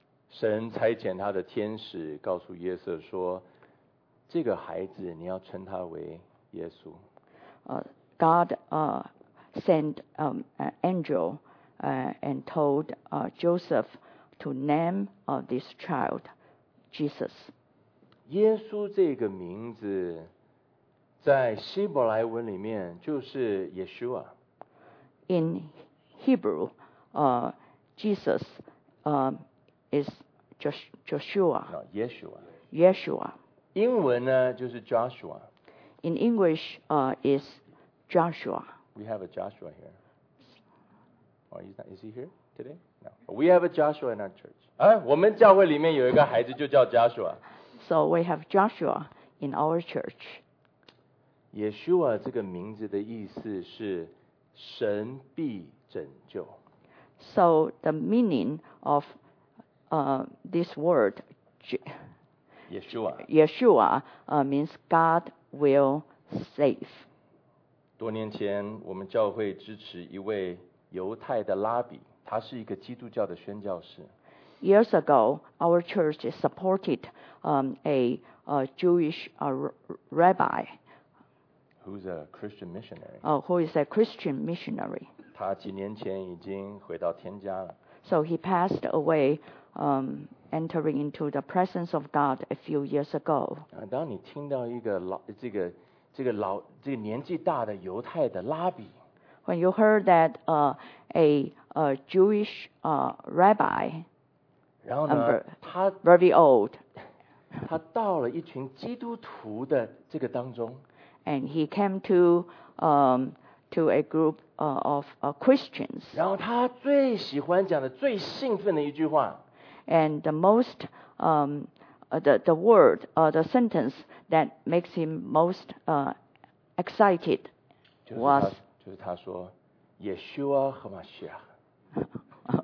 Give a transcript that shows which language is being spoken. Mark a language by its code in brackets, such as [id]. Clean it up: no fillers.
[zh] 神差遣他的天使告诉约瑟说，这个孩子你要称他为耶稣。 [en] God sent an angel and told Joseph to name this child Jesus. [zh] 耶稣这个名字在希伯来文里面就是 Yeshua。 [en] In Hebrew, Jesus is Joshua. No, Yeshua. Yeshua. [zh] 英文呢就是 Joshua. [en] In English, is Joshua. We have a Joshua here. Oh, is he here today? No. We have a Joshua in our church. [zh] 我们教会里面有一个孩子就叫 Joshua. [en] So we have Joshua in our church. [zh] Yeshua 这个名字的意思是神必拯救。 [en] So the meaning of this word, Yeshua means God will save. [zh] 多年前我们教会支持一位犹太的拉比，他是一个基督教的宣教士。 [en] Years ago, our church supported Jewish rabbi. Who's a Christian missionary. Who is a Christian missionary. [zh] 他几年前已经回到天家了。 [en] So he passed away entering into the presence of God a few years ago. [zh] 当你听到一个老这个年纪大的犹太的拉比， [en] When you heard that a Jewish rabbi, [zh] 然后呢，他 [en] very old, [zh] 他到了一群基督徒的这个当中， [en] and he came to to a group of Christians. [zh] 然后他最喜欢讲的最兴奋的一句话。 [en] And the most, the word, the sentence that makes him most excited was, [zh] 就是他说 ， [he] Yeshua HaMashiach.